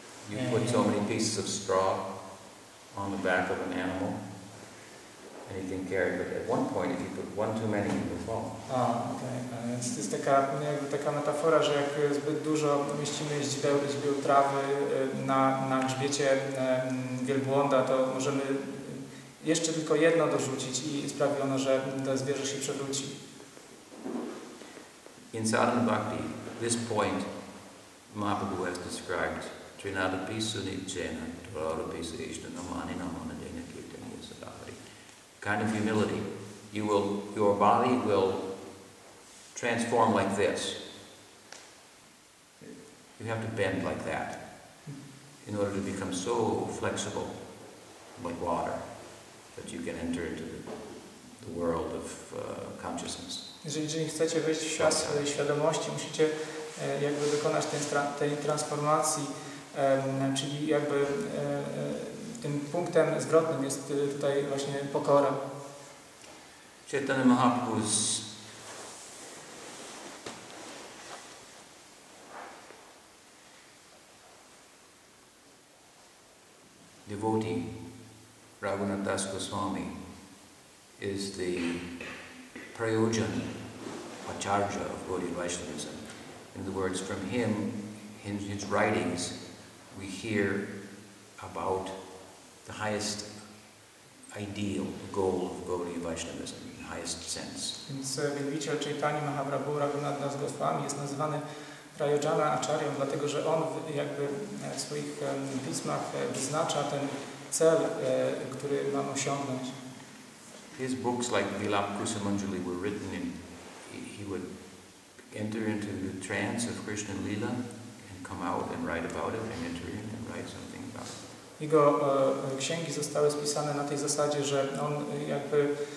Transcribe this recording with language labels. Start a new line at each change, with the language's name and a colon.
English: You put so many pieces of straw on the back of an animal and he can carry it, but at one point if you put one too many he will fall.
Polish: Więc to jest taka metafora, że jak zbyt dużo umieścimy źdźbeł trawy na grzbiecie wielbłąda, to możemy jeszcze tylko jedno dorzucić i sprawi ono, że to zwierzę się przewróci.
English: In sadhana bhakti, this point Mahaprabhu has described
Sanskrit: Trinadapi Suni Chena, Dvaradapi Sishna, Namani Namana Dena Kirtaniya Sadhari.
English: Kind of humility. Your body will transform like this. You have to bend like that in order to become so flexible like water that you can enter into the world of consciousness.
Polish: Jeżeli chcecie wejść w świat swojej świadomości, musicie jakby wykonać tej transformacji. Czyli jakby tym punktem zwrotnym jest tutaj właśnie pokora.
English: Chaitanya Mahaprabhu's devotee, Raghunath Das Goswami, is the prayojan, acharya of Gaudiya Vaishnavism. In the words from him, in his writings, we hear about the highest ideal goal of Gaudiya Vaishnavism in the highest sense.
Polish: Więc Vidvicha Chaitanya Mahaprabhu Raghunath Das Goswami jest nazywany Prayojana Acharyam, dlatego że on jakby w swoich pismach wyznacza ten cel, który mam osiągnąć.
English: His books like Vilap Kusumanjali were written in, he would enter into the trance of Krishna Lila, come out and write about it and enter in and write something about it.
Polish: Jego księgi zostały spisane na tej zasadzie, że on jakby